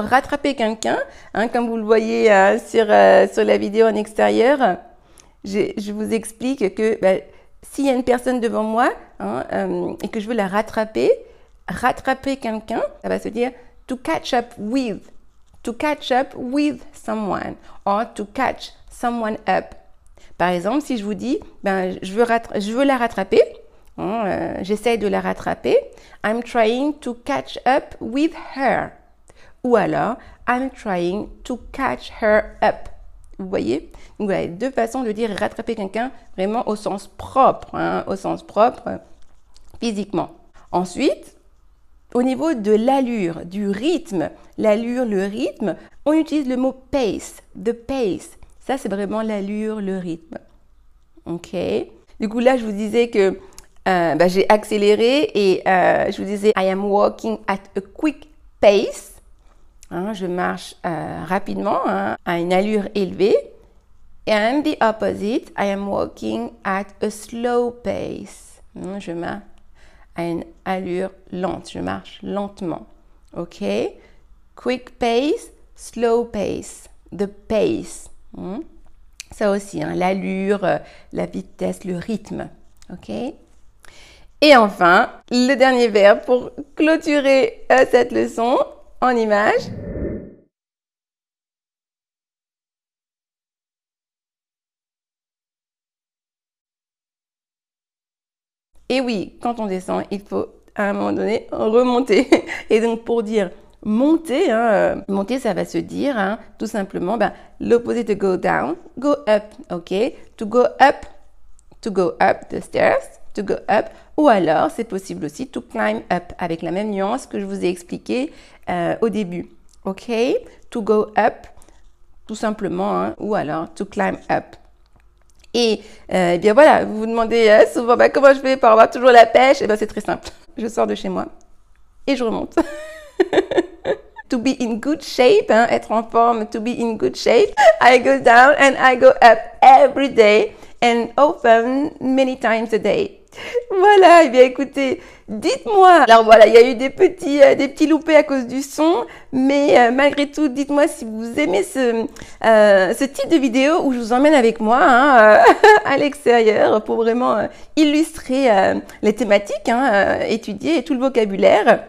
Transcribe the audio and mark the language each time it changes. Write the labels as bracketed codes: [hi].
[fr] Rattraper quelqu'un, hein, comme vous le voyez sur la vidéo en extérieur, je vous explique que ben, s'il y a une personne devant moi hein, et que je veux la rattraper, rattraper quelqu'un, ça va se dire [en] to catch up with. To catch up with someone or to catch someone up. [fr] Par exemple, si je vous dis, ben, je veux la rattraper, hein, j'essaie de la rattraper, [en] I'm trying to catch up with her. [fr] Ou alors, [en] I'm trying to catch her up. [fr] Vous voyez? Donc, voilà, deux façons de dire rattraper quelqu'un vraiment au sens propre, hein, au sens propre physiquement. Ensuite, au niveau de l'allure, du rythme, l'allure, le rythme, on utilise le mot pace, the pace. Ça, c'est vraiment l'allure, le rythme. OK. Du coup, là, je vous disais que j'ai accéléré et je vous disais [en] I am walking at a quick pace. [fr] Hein, je marche rapidement, hein, à une allure élevée. [en] And the opposite, I am walking at a slow pace. [fr] Je marche à une allure lente, je marche lentement, ok? [en] Quick pace, slow pace, the pace, [fr] ça aussi, hein, l'allure, la vitesse, le rythme, ok? Et enfin, le dernier verbe pour clôturer cette leçon en images. Et oui, quand on descend, il faut à un moment donné remonter. Et donc, pour dire monter, hein, monter, ça va se dire hein, tout simplement ben, l'opposé de [en] go down, go up, [fr] ok? [en] To go up the stairs, to go up. [fr] Ou alors, c'est possible aussi [en] to climb up [fr] avec la même nuance que je vous ai expliqué au début, ok? [en] To go up, [fr] tout simplement, hein, ou alors [en] to climb up. [fr] Et eh bien voilà, vous vous demandez souvent bah, comment je fais pour avoir toujours la pêche. Et bien c'est très simple. Je sors de chez moi et je remonte. [en] To be in good shape, [fr] hein, être en forme, [en] to be in good shape. I go down and I go up every day and often many times a day. [fr] Voilà, et bien écoutez, dites-moi. Alors voilà, il y a eu des petits loupés à cause du son, mais malgré tout, dites-moi si vous aimez ce type de vidéo où je vous emmène avec moi hein, à l'extérieur pour vraiment illustrer les thématiques, hein, étudier tout le vocabulaire.